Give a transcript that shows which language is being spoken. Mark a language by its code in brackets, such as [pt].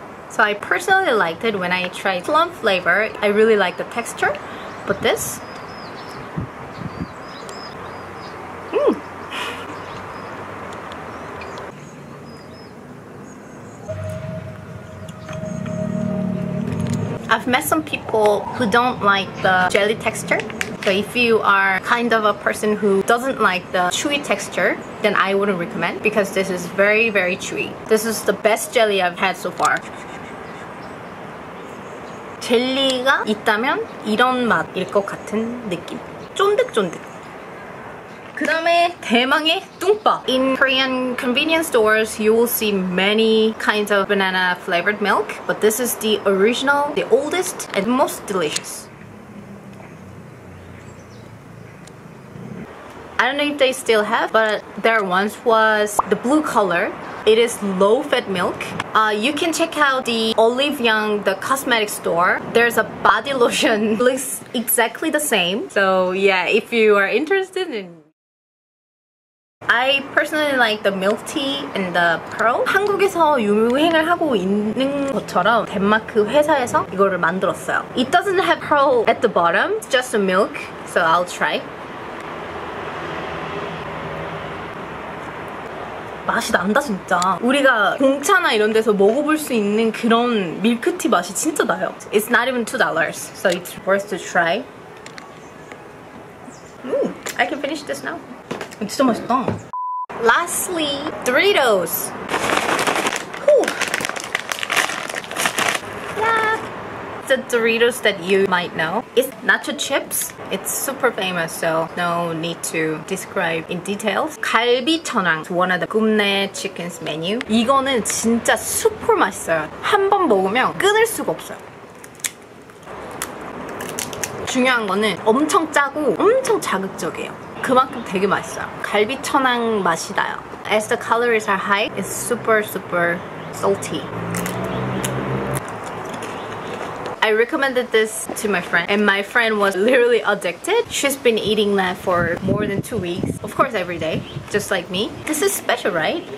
[en] So I personally liked it when I tried plum flavor. I really like the texture, but this, I've met some people who don't like the jelly texture. So if you are kind of a person who doesn't like the chewy texture, then I wouldn't recommend because this is very, very chewy. This is the best jelly I've had so far. [ko] 젤리가 있다면 이런 맛일 것 같은 느낌. 쫀득쫀득. 그 다음에 대망의 뚱밥! [en] In Korean convenience stores, you will see many kinds of banana flavored milk. But this is the original, the oldest, and most delicious. I don't know if they still have, but there once was the blue color. It is low-fat milk. You can check out the Olive Young, the cosmetic store. There's a body lotion. It looks exactly the same. So yeah, if you are interested in... I personally like the milk tea and the pearl. [ko] 한국에서 유행을 하고 있는 것처럼 덴마크 회사에서 이거를 만들었어요. [en] It doesn't have pearl at the bottom, it's just the milk, so I'll try. [ko] 맛이 난다 진짜. 우리가 공차나 이런 데서 먹어볼 수 있는 그런 밀크티 맛이 진짜 나요. [en] It's not even $2, so it's worth to try. I can finish this now. [ko] 진짜 맛있다. [en] Lastly, Doritos. [ko] 야, [en] the Doritos that you might know. It's nacho chips. It's super famous, so no need to describe in details. 갈비천왕, one of the 굽네 chicken's menu. [ko] 이거는 진짜 super 맛있어요. 한번 먹으면 끊을 수가 없어요. 중요한 거는 엄청 짜고 엄청 자극적이에요. 그만큼 되게 맛있어요. 갈비천왕 맛이 나요. [en] As the calories are high, it's super super salty. I recommended this to my friend, and my friend was literally addicted. She's been eating that for more than 2 weeks. Of course, every day, just like me. This is special, right?